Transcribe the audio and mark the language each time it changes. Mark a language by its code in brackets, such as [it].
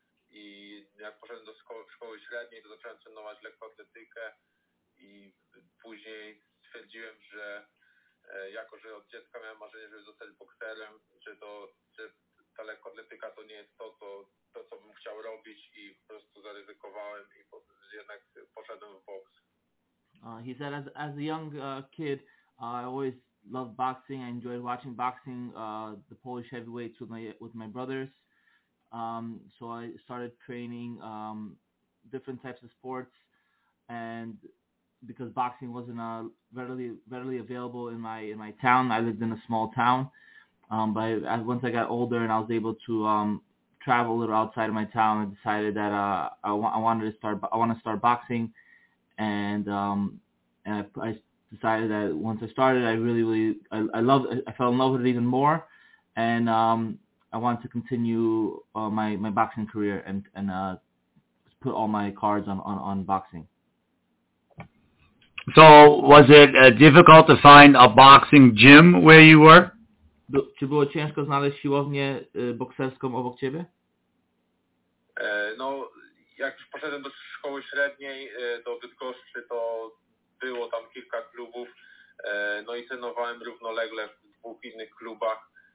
[pl] I jak poszedłem do szkoły średniej, to zacząłem trenować lekkoatletykę i później stwierdziłem, że jako że od dziecka miałem marzenie, żeby zostać bokserem, że ta lekkoatletyka to nie jest to, co bym chciał robić i po prostu zaryzykowałem i jednak poszedłem w boks. [en] He said, as a young kid, I always loved boxing. I enjoyed watching boxing, the Polish heavyweights with my brothers. So I started training different types of sports, and because boxing wasn't readily available in my town, I lived in a small town. But once I got older and I was able to travel a little outside of my town, I decided that I want to start boxing. And I decided that once I started, I really, really, I fell in love with it even more. And I wanted to continue my boxing career and put all my cards on boxing. So was it difficult to find a boxing gym where you were? [pl] Czy było ciężko znaleźć siłownię bokserską obok ciebie? No. Jak już poszedłem do szkoły średniej, do Bydgoszczy, to było tam kilka klubów, no i trenowałem równolegle w dwóch innych klubach.